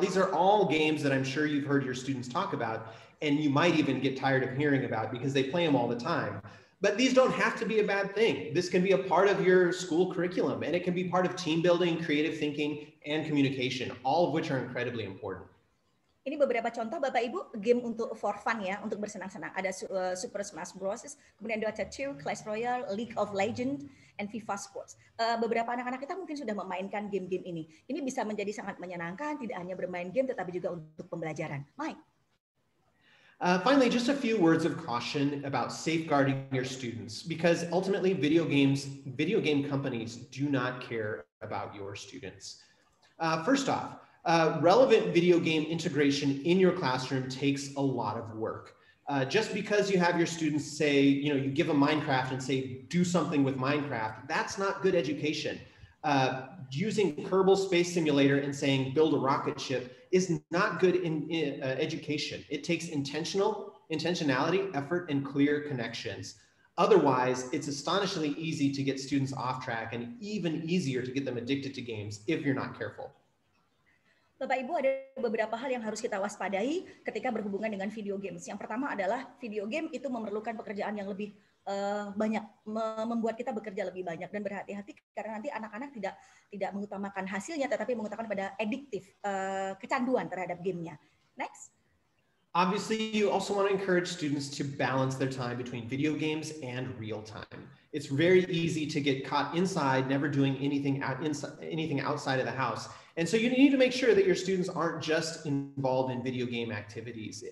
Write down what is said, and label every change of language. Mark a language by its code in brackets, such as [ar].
[en] These are all games that I'm sure you've heard your students talk about and you might even get tired of hearing about because they play them all the time. But these don't have to be a bad thing. This can be a part of your school curriculum, and it can be part of team building, creative thinking, and communication, all of which are incredibly important. [id] Ini beberapa contoh, Bapak Ibu, game untuk [en] for fun [id] ya, untuk bersenang-senang. Ada Super Smash Bros, kemudian Dota 2, Clash Royale, League of Legends, and FIFA Sports. Beberapa anak-anak kita mungkin sudah memainkan game-game ini. Ini bisa menjadi sangat menyenangkan, tidak hanya bermain game, tetapi juga untuk pembelajaran. Mike. [en] Finally, just a few words of caution about safeguarding your students, because ultimately video game companies do not care about your students. First off, relevant video game integration in your classroom takes a lot of work. Just because you have your students say, you know, you give them Minecraft and say, do something with Minecraft, that's not good education. Using Kerbal Space Simulator and saying, build a rocket ship, is not good in education. It takes intentionality, effort, and clear connections. Otherwise, it's astonishingly easy to get students off track and even easier to get them addicted to games if you're not careful. [id] Bapak Ibu, ada beberapa hal yang harus kita waspadai ketika berhubungan dengan video games. Yang pertama adalah video game itu memerlukan pekerjaan yang lebih banyak, membuat kita bekerja lebih banyak dan berhati-hati karena nanti anak-anak tidak mengutamakan hasilnya tetapi mengutamakan pada addictive kecanduan terhadap gamenya. [en] Next. Obviously, you also want to encourage students to balance their time between video games and real time. It's very easy to get caught inside, never doing anything outside of the house. And so you need to make sure that your students aren't just involved in video game activities.